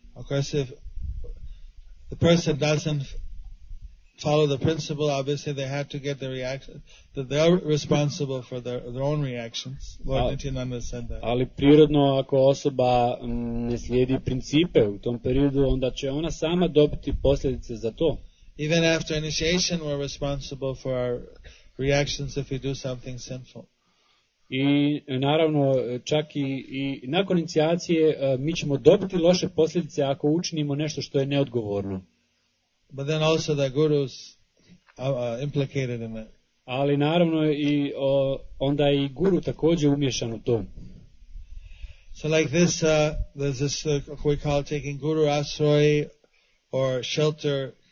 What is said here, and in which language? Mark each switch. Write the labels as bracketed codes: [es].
[en] Of course, if the person doesn't follow the principle, obviously they have to get the reaction, that they are responsible for their own reactions. Lord Nityananda said that. [hr] Ali prirodno, ako osoba ne slijedi principe u tom periodu, onda će ona sama dobiti posljedice za to. [en] Even after initiation, we're responsible for our reactions if we do something sinful. [hr] I naravno, čak i nakon inicijacije, mi ćemo dobiti loše posljedice ako učinimo nešto što je neodgovorno. [en] But then also the guru's implicated in it. [hr] Ali naravno, i onda i guru također umješan u to. [en] So like this, there's this what we call taking guru asroi or shelter.